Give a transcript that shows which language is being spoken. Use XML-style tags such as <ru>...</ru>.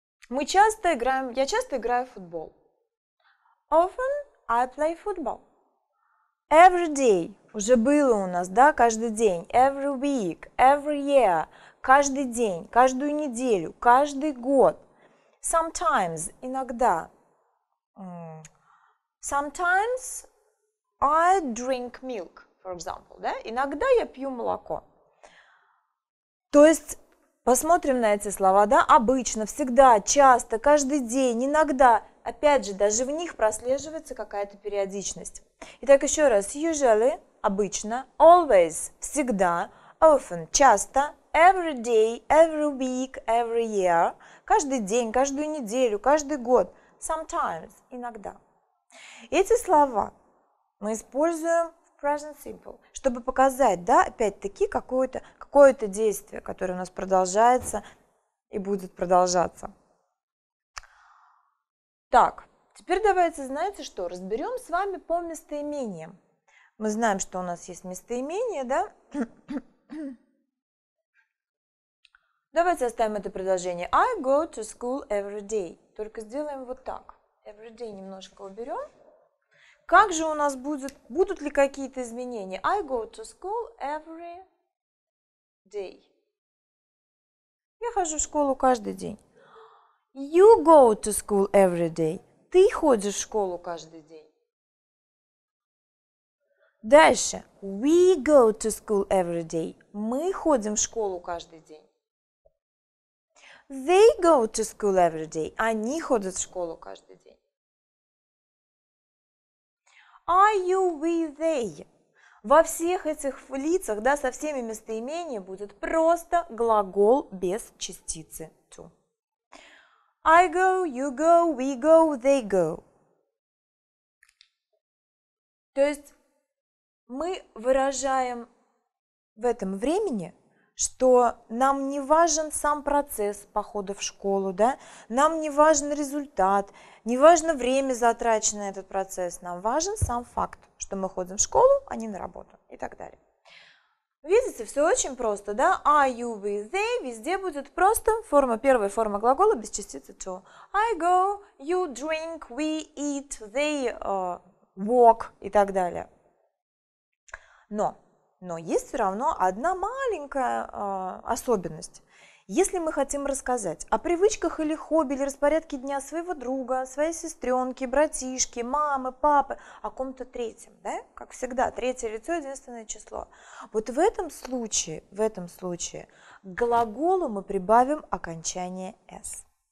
<ru>Я часто играю в футбол.</ru> <en>Often I play football. Every day.</en> <ru>Уже было у нас, да, каждый день.</ru> <en>Every week, every year.</en> <ru>Каждый день, каждую неделю, каждый год. Sometimes, иногда.</ru> <en>Sometimes I drink milk, for example.</en> <ru>Да? Иногда я пью молоко. То есть, посмотрим на эти слова, да? Обычно, всегда, часто, каждый день, иногда. Опять же, даже в них прослеживается какая-то периодичность. Итак, еще раз. Usually, обычно. Always, всегда. Often, часто.</ru> <en>Every day, every week, every year.</en> <ru>Каждый день, каждую неделю, каждый год. Sometimes, иногда. Эти слова мы используем в present simple, чтобы показать, да, опять-таки, какое-то действие, которое у нас продолжается и будет продолжаться. Так, теперь давайте, знаете что, разберем с вами по местоимениям. Мы знаем, что у нас есть местоимение, да? Давайте оставим это предложение.</ru> <en>I go to school every day.</en> <ru>Только сделаем вот так.</ru> <en>Every day</en> <ru>немножко уберем. Как же у нас будет? Будут ли какие-то изменения?</ru> <en>I go to school every day.</en> <ru>Я хожу в школу каждый день.</ru> <en>You go to school every day.</en> <ru>Ты ходишь в школу каждый день. Дальше.</ru> <en>We go to school every day.</en> <ru>Мы ходим в школу каждый день.</ru> <en>They go to school every day.</en> <ru>Они ходят в школу каждый день.</ru> <en>Are you, we, they?</en> <ru>Во всех этих лицах, да, со всеми местоимениями будет просто глагол без частицы to.</ru> <en>I go, you go, we go, they go.</en> <ru>То есть мы выражаем в этом времени, что нам не важен сам процесс похода в школу, да? Нам не важен результат, не важно время, затраченное на этот процесс, нам важен сам факт, что мы ходим в школу, а не на работу и так далее. Видите, все очень просто, да?</ru> <en>Are you, we, they,</en> <ru>везде будет просто форма, первая форма глагола без частицы to.</ru> <en>I go, you drink, we eat, they walk</en> <ru>и так далее. Но есть все равно одна маленькая особенность. Если мы хотим рассказать о привычках или хобби, или распорядке дня своего друга, своей сестренки, братишки, мамы, папы, о ком-то третьем, да? Как всегда, третье лицо – единственное число. Вот в этом случае к глаголу мы прибавим окончание «s».</ru>